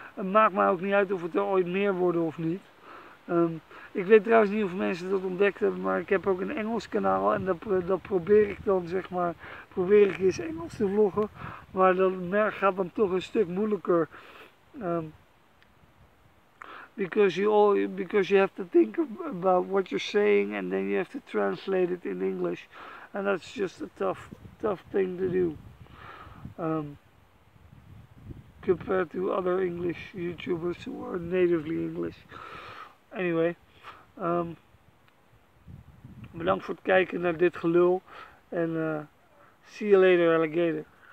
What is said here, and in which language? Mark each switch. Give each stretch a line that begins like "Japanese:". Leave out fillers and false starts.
Dutch: Het maakt mij ook niet uit of het er ooit meer worden of niet. Ik weet trouwens niet of mensen dat ontdekt hebben, maar ik heb ook een Engels kanaal en dat probeer ik dan, zeg maar, probeer ik eens Engels te vloggen, maar dat gaat dan toch een stuk moeilijker.
English: Because you have to think about what you're saying and then you have to translate it in English. And that's just a tough thing to do. Compared to other English YouTubers who are natively English. Anyway.
Dutch: Bedankt voor het kijken naar dit gelul. En
English: see you later, alligator.